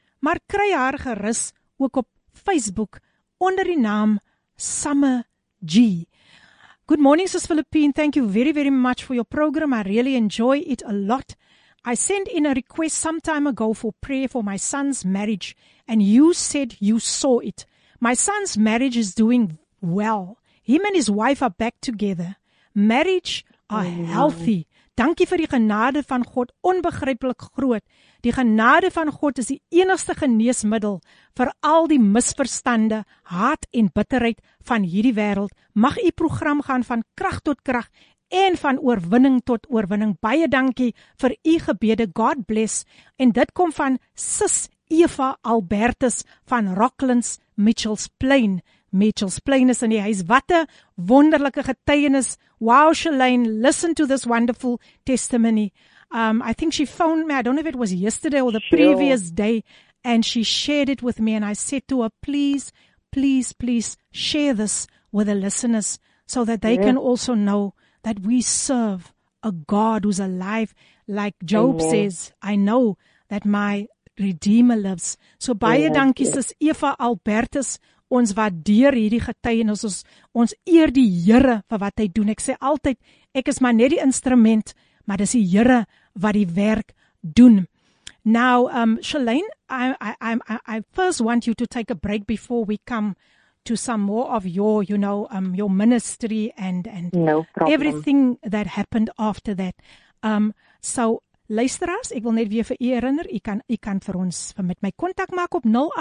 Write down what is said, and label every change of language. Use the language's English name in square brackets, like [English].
[Afrikaans] Maar kry haar gerus ook op Facebook onder die naam Summer G. [English] Good morning, Sis Philippine. Thank you very, very much for your program. I really enjoy it a lot. I sent in a request some time ago for prayer for my son's marriage, and you said you saw it. My son's marriage is doing well. Him and his wife are back together. Marriage are healthy. [Afrikaans] Dankie vir die genade van God, onbegryplik groot. Die genade van God is die enigste geneesmiddel vir al die misverstande, haat en bitterheid van hierdie wêreld. Mag u program gaan van krag tot krag en van oorwinning tot oorwinning. Baie dankie vir u gebede. [English] God bless. [Afrikaans] En dit kom van Sis Eva Albertus van Rocklands, Mitchells Plain. Mitchells Plain is in die huis. Wat 'n wonderlike getuienis. [English] Wow, Shalane, listen to this wonderful testimony. I think she phoned me, I don't know if it was yesterday or the previous day, and she shared it with me, and I said to her, please, please, please share this with the listeners so that they can also know that we serve a God who's alive. Like Job says, I know that my Redeemer lives. [Afrikaans] So, baie dankie, Sis Eva Albertus. Ons waardeer hierdie getuienis. Ons eer die Here vir wat hy doen. Ek sê altyd, ek is maar net die instrument, maar dis die Here wat die werk doen. [English] Now, Shalane, I first want you to take a break before we come to some more of your, you know, your ministry and no everything that happened after that. [Afrikaans] So luisteraars, ek wil net weer vir u herinner, u kan vir ons met my kontak maak op 0817291657.